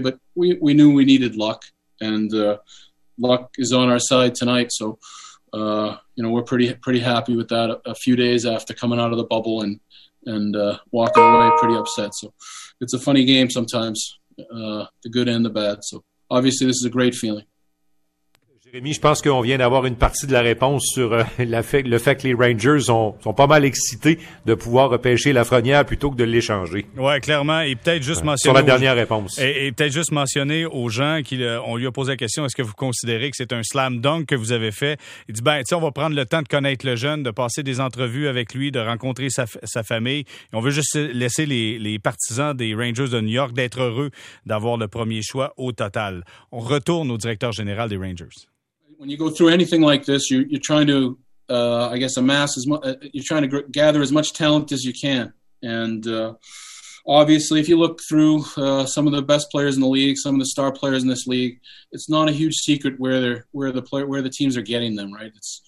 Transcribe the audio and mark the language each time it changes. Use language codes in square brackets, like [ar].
[en] But we knew we needed luck and luck is on our side tonight. So we're pretty happy with that a few days after coming out of the bubble and walking away pretty upset. So it's a funny game sometimes, the good and the bad. So obviously this is a great feeling. [fr] Jérémy, je pense qu'on vient d'avoir une partie de la réponse sur le fait que les Rangers sont pas mal excités de pouvoir repêcher Lafrenière plutôt que de l'échanger. Ouais, clairement. Et peut-être juste mentionner. Sur la dernière réponse. Et peut-être juste mentionner aux gens qu'on lui a posé la question, est-ce que vous considérez que c'est un slam dunk que vous avez fait? Il dit, on va prendre le temps de connaître le jeune, de passer des entrevues avec lui, de rencontrer sa famille. Et on veut juste laisser les partisans des Rangers de New York d'être heureux d'avoir le premier choix au total. On retourne au directeur général des Rangers. [en] When you go through anything like this, you're trying to, amass as much. You're trying to gather as much talent as you can. And obviously, if you look through some of the best players in the league, some of the star players in this league, it's not a huge secret where the teams are getting them. Right?